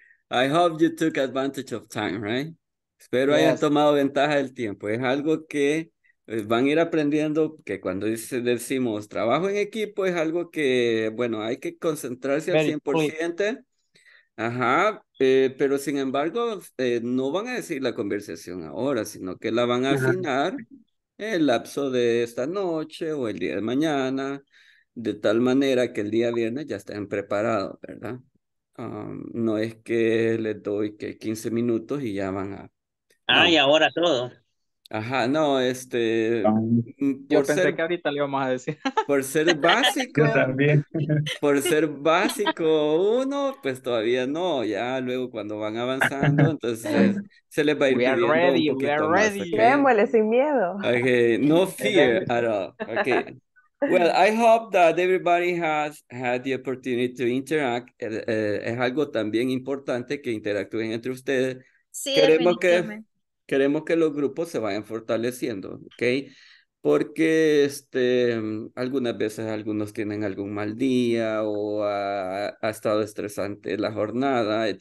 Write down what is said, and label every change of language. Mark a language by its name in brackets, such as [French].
[English] I hope you took advantage of time, right? [Spanish] Espero hayan tomado ventaja del tiempo. Es algo que van a ir aprendiendo, que cuando decimos trabajo en equipo, es algo que, bueno, hay que concentrarse al 100%. Ajá, pero sin embargo, no van a decir la conversación ahora, sino que la van a afinar el lapso de esta noche o el día de mañana, de tal manera que el día viernes ya estén preparados, ¿verdad? No es que les doy que 15 minutos y ya van a... Ah, y ahora todo. Ajá, no, este... Yo pensé que ahorita le íbamos a decir. Por ser básico... Yo también. Por ser básico uno, pues todavía no. Ya luego cuando van avanzando, entonces se les va a ir pidiendo un poquito más. Démosle sin miedo. [English] Okay, no fear at all. Okay. Well, I hope that everybody has had the opportunity to interact. [Spanish] Es algo también importante que interactúen entre ustedes. Sí, queremos que los grupos se vayan fortaleciendo, ¿ok? Porque algunas veces algunos tienen algún mal día o ha estado estresante la jornada, etc.